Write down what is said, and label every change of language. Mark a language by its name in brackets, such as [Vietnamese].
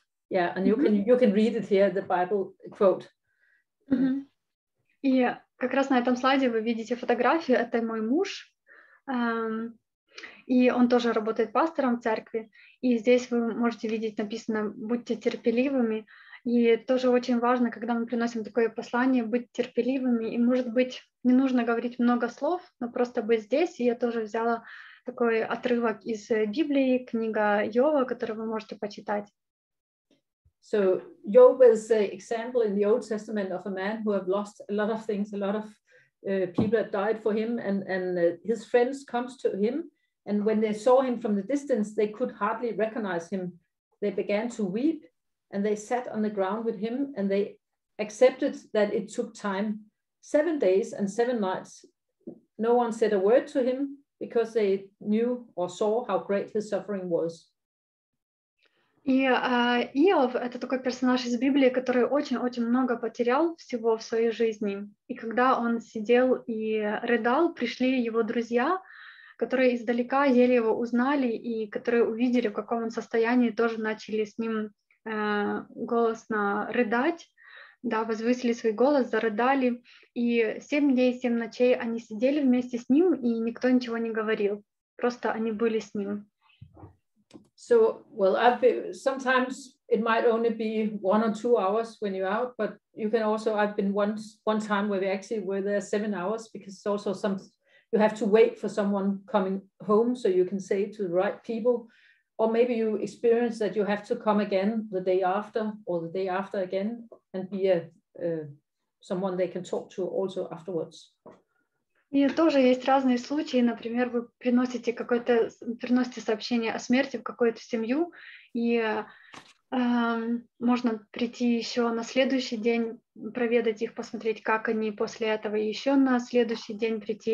[English] You can read it here, the Bible quote. [Russian] И как раз на этом слайде вы видите фотографию, это мой муж. И он тоже работает пастором в церкви. И здесь вы можете видеть написано «Будьте терпеливыми». И тоже очень важно, когда мы приносим такое послание, быть терпеливыми. И, может быть, не нужно говорить много слов, но просто быть здесь. И я тоже взяла такой отрывок из Библии, книга Йова, которую вы можете почитать. [English] So, Job is an example in the Old Testament of a man who have lost a lot of things, a lot of people that died for him, and his friends comes to him. And when they saw him from the distance, they could hardly recognize him. They began to weep, and they sat on the ground with him, and they accepted that it took time, 7 days and 7 nights. No one said a word to him, because they knew or saw how great his suffering was. [Russian] И Иов — это такой персонаж из Библии, который очень-очень много потерял всего в своей жизни. И когда он сидел и рыдал, пришли его друзья, которые издалека еле его узнали и которые увидели, в каком он состоянии, тоже начали с ним голосно рыдать, да, возвысили свой голос, зарыдали. И 7 дней, 7 ночей они сидели вместе с ним, и никто ничего не говорил. Просто они были с ним. [English] So, well, sometimes it might only be 1 or 2 hours when you're out, but you can also, I've been one time where we actually were there 7 hours, because it's also some... You have to wait for someone coming home so you can say to the right people, or maybe you experience that you have to come again the day after or the day after again and be someone they can talk to also afterwards. [Russian] И тоже есть разные случаи. Например, вы приносите какое-то приносите сообщение о смерти в какую-то семью, и можно прийти еще на следующий день, проведать их, посмотреть, как они после этого, еще на следующий день прийти.